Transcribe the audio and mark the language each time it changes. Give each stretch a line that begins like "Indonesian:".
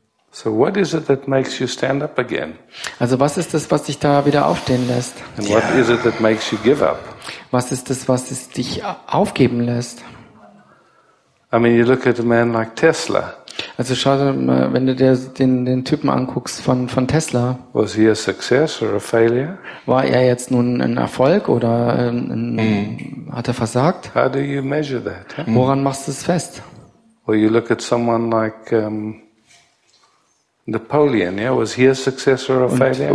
English: So what is it that makes you stand up again?
German: Also was ist das, was dich da wieder aufstehen lässt?
English: And what is it that makes you give up?
German: Was ist das, was es dich aufgeben lässt?
English: I mean, you look at a man like Tesla.
German: Also schau dir mal, wenn du dir den Typen anguckst von Tesla.
English: Was he a success or a failure?
German: War er jetzt nun ein Erfolg oder hat er versagt?
English: How do you measure that?
German: Woran machst du es fest?
English: Well, you look at someone like Napoleon, yeah, was he a success or a failure?